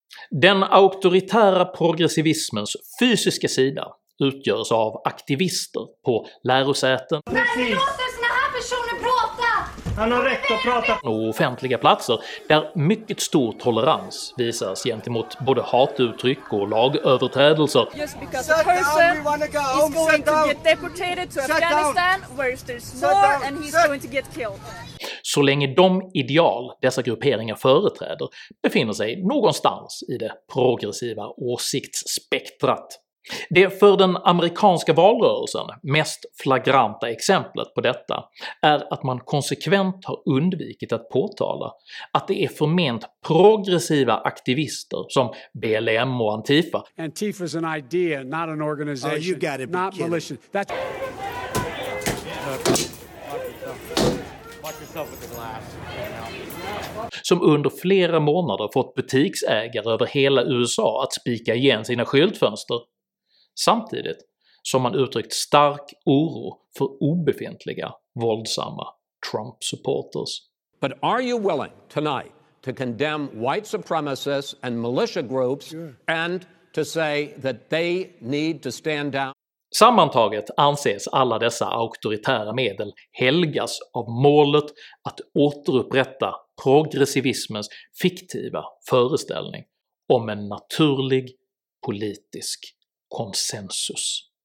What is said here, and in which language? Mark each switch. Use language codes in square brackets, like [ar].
[sv] Den auktoritära progressivismens fysiska sida utgörs av aktivister på lärosäten. Han har rätt att prata. Och offentliga platser där mycket stor tolerans visas gentemot både hatuttryck och lagöverträdelser. [en] Just because a person is going to get deported to Afghanistan where there's war and he's going to get killed. [sv] Så länge de ideal dessa grupperingar företräder befinner sig någonstans i det progressiva åsiktsspektrat. Det för den amerikanska valrörelsen mest flagranta exemplet på detta är att man konsekvent har undvikit att påtala att det är förment progressiva aktivister som BLM och Antifa. [en] Antifa is an idea, not an organization. Oh, you gotta be not kidding. Militia. That's... [sv] som under flera månader fått butiksägare över hela USA att spika igen sina skyltfönster, samtidigt som man uttryckt stark oro för obefintliga, våldsamma Trump-supporters. [en] But are you willing tonight to condemn white supremacists and militia groups and to say that they need to stand down? [sv] Sammantaget anses alla dessa auktoritära medel helgas av målet att återupprätta progressivismens fiktiva föreställning om en naturlig politisk konsensus.